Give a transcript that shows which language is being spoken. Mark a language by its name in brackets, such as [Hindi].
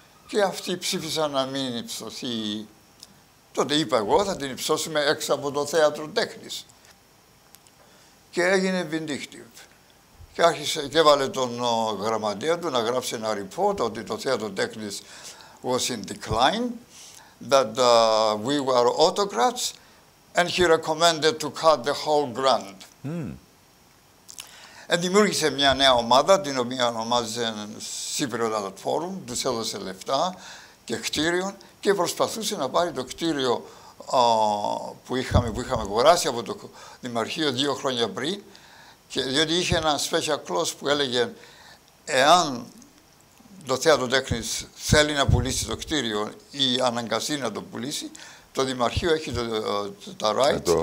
[Greek] Και αυτοί ψήφισαν να μην υψωθεί. Τότε είπα εγώ, θα την υψώσουμε έξω από το θέατρο τέχνης. Και έγινε vindictive. Και άρχισε και έβαλε τον γραμματέα του να γράψει ένα report ότι το θέατρο τέχνης [English] was in decline, that we were autocrats, and he recommended to cut the whole grant. Mm. [Greek] Δημιούργησε μια νέα ομάδα, την οποία ονομάζε Cypriot Art Forum, τους έδωσε λεφτά και κτίριο και προσπαθούσε να πάρει το κτίριο που είχαμε αγοράσει από το Δημαρχείο 2 χρόνια πριν, διότι είχε ένα [English] special clause [Greek] που έλεγε εάν το θέατρο τέχνης θέλει να πουλήσει το κτίριο ή αναγκαστεί να το πουλήσει, το Δημαρχείο έχει τα rights